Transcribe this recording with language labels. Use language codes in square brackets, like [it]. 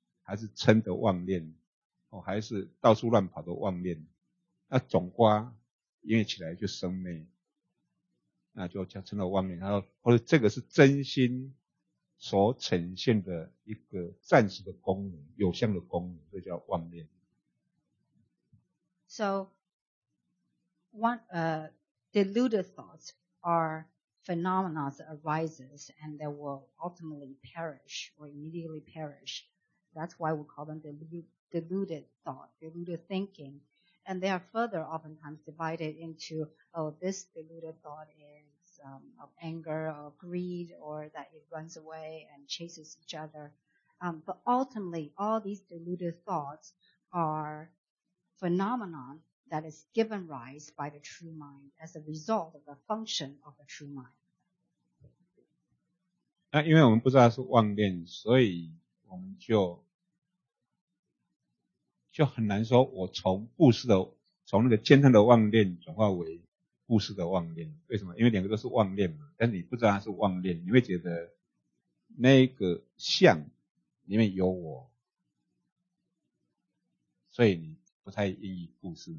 [zh] 还是嗔的妄念，哦，还是到处乱跑的妄念，那种瓜，因为起来就生灭，那就叫嗔的妄念。他说，或者这个是真心所呈现的一个暂时的功能，有相的功能，这叫妄念。 [en] So, one deluded thoughts are phenomena that arises and they will ultimately perish or immediately perish. That's why we call them deluded thought, deluded thinking. And they are further oftentimes divided into, oh, this deluded thought is of anger or greed or that it runs away and chases each other. But ultimately, all these deluded thoughts are phenomena that is given rise by the true mind as a result of the function of the true mind. [zh] 那因为我们不知道是妄念，所以我们就很难说我从布施的从那个悭贪的妄念转化为布施的妄念，为什么？因为两个都是妄念嘛，但是你不知道它是妄念，你会觉得那个相里面有我，所以你不太愿意布施。